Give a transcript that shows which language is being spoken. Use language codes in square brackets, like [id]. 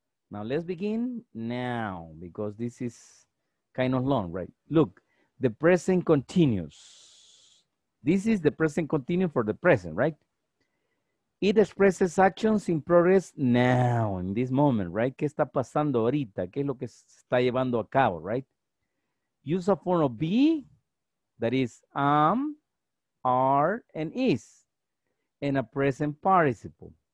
[en] Now let's begin now, because this is kind of long, right? Look, the present continuous. This is the present continuous for the present, right? It expresses actions in progress now, in this moment, right? [es] ¿Qué está pasando ahorita? ¿Qué es lo que está llevando a cabo, right? [en] Use a form of be, that is am, are, and is, in a present participle.